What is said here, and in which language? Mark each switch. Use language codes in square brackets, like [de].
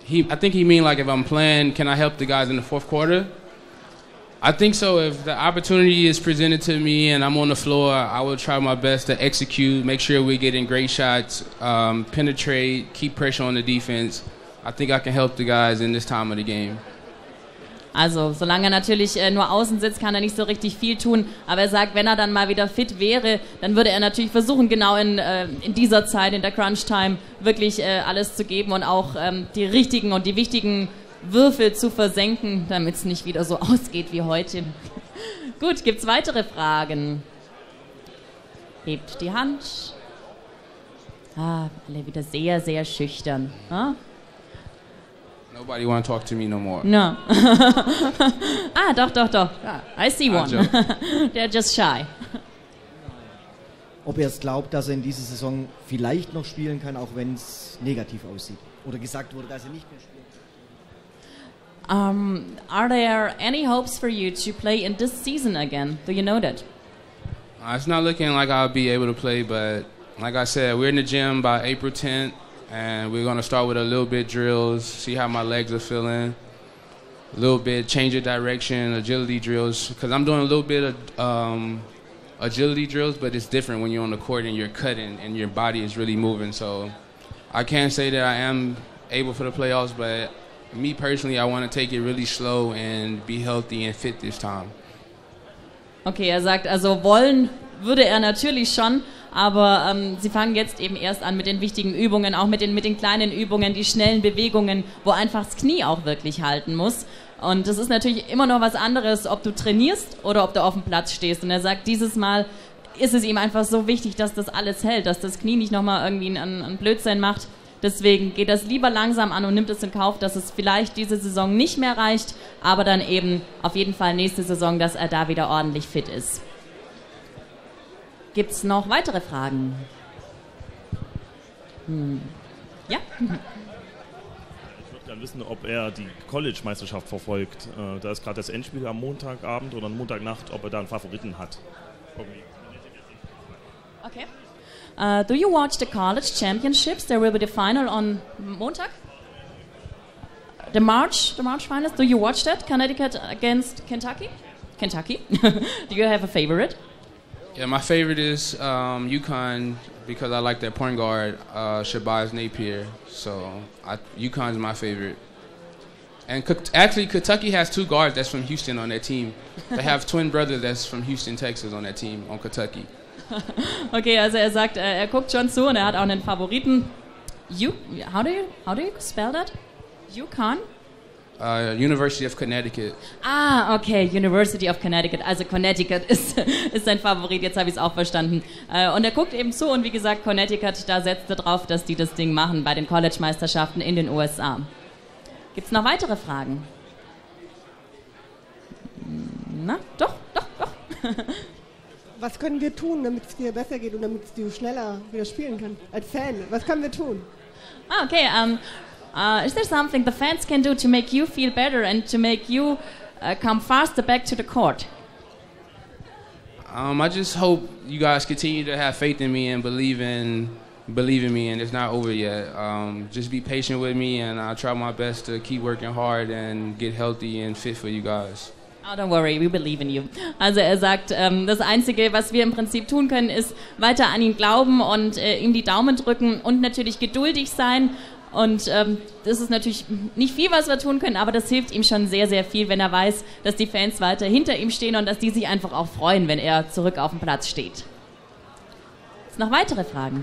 [en] I think he mean like if I'm playing, can I help the guys in the fourth quarter? I think so. If the opportunity is presented to me and I'm on the floor, I will try my best to execute, make sure we're getting great shots, penetrate, keep pressure on the defense. I think I can help the guys in this time of the game. [de] Also, solange er natürlich nur außen sitzt, kann er nicht so richtig viel tun. Aber er sagt, wenn er dann mal wieder fit wäre, dann würde er natürlich versuchen, genau in dieser Zeit, in der Crunch-Time, wirklich alles zu geben und auch die richtigen und die wichtigen Würfe zu versenken, damit es nicht wieder so ausgeht wie heute. Gut, gibt's weitere Fragen? Hebt die Hand. Ah, alle wieder sehr, sehr schüchtern. Ah? [en] Nobody want to talk to me no more. No. [de] Ah, doch, doch, doch. [en] I see one. They're just shy. [de] Ob ihr es glaubt, dass er in dieser Saison vielleicht noch spielen kann, auch wenn es negativ aussieht? Oder gesagt wurde, dass er nicht mehr spielen kann? [en] Are there any hopes for you to play in this season again? Do you know that? It's not looking like I'll be able to play, but like I said, we're in the gym by April 10th, and we're going to start with a little bit drills, see how my legs are feeling, a little bit change of direction, agility drills, because I'm doing a little bit of agility drills, but it's different when you're on the court and you're cutting and your body is really moving. So I can't say that I am able for the playoffs, but me personally, I want to take it really slow and be healthy and fit this time. [de] Okay, er sagt, also wollen würde er natürlich schon, aber sie fangen jetzt eben erst an mit den wichtigen Übungen, auch mit den kleinen Übungen, die schnellen Bewegungen, wo einfach das Knie auch wirklich halten muss. Und das ist natürlich immer noch was anderes, ob du trainierst oder ob du auf dem Platz stehst. Und er sagt, dieses Mal ist es ihm einfach so wichtig, dass das alles hält, dass das Knie nicht nochmal irgendwie einen Blödsinn macht. Deswegen geht das lieber langsam an und nimmt es in Kauf, dass es vielleicht diese Saison nicht mehr reicht, aber dann eben auf jeden Fall nächste Saison, dass er da wieder ordentlich fit ist. Gibt's noch weitere Fragen? Ja? Ich würde gerne wissen, ob er die College-Meisterschaft verfolgt. Da ist gerade das Endspiel am Montagabend oder Montagnacht, ob er da einen Favoriten hat. Okay. [en] Do you watch the college championships? There will be the final on Montag. The March finals. Do you watch that? Connecticut against Kentucky. Do you have a favorite? Yeah, my favorite is UConn because I like their point guard, Shabazz Napier. So UConn is my favorite. And actually, Kentucky has two guards that's from Houston on their team. They have twin brother that's from Houston, Texas on that team on Kentucky. [de] Okay, also er sagt, er guckt schon zu und er hat auch einen Favoriten. [en] How do you spell that? UConn? University of Connecticut. Ah, okay, University of Connecticut. [de] Also Connecticut ist sein Favorit, jetzt habe ich es auch verstanden. Und er guckt eben zu und wie gesagt, Connecticut, da setzt er drauf, dass die das Ding machen bei den College-Meisterschaften in den USA. Gibt es noch weitere Fragen? Na, doch. Was können wir tun, damit es dir besser geht und damit es dir schneller wieder spielen kann? Als Fan, was können wir tun? [en] Okay, is there something the fans can do to make you feel better and to make you come faster back to the court? I just hope you guys continue to have faith in me and believe in me, and it's not over yet. Just be patient with me and I'll try my best to keep working hard and get healthy and fit for you guys. Oh, don't worry, we believe in you. [de] Also er sagt, das Einzige, was wir im Prinzip tun können, ist weiter an ihn glauben und ihm die Daumen drücken und natürlich geduldig sein. Und das ist natürlich nicht viel, was wir tun können, aber das hilft ihm schon sehr, sehr viel, wenn er weiß, dass die Fans weiter hinter ihm stehen und dass die sich einfach auch freuen, wenn er zurück auf dem Platz steht. Ist noch weitere Fragen?